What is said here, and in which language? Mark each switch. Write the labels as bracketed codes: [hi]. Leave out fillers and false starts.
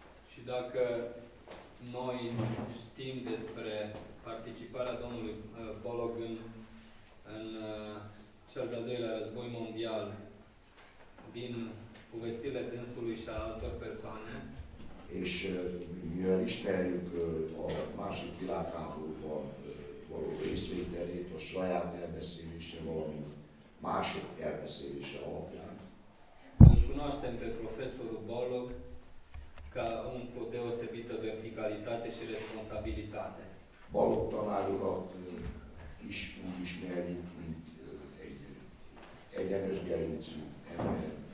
[ro] Și dacă noi știm despre participarea domnului Bolog în cel de-al doilea război mondial din povestirile dânsului și a altor persoane, [hu] és mivel ismerjük a második világháborúban való részvételét a saját elbeszélése, valamint mások elbeszélése alapján. [ro] Cunoaștem pe profesorul Bolog ca un cu deosebită verticalitate și responsabilitate. [hu] Bolog tanárurat is úgy ismerjük, mint egy egyenes gerincű ember.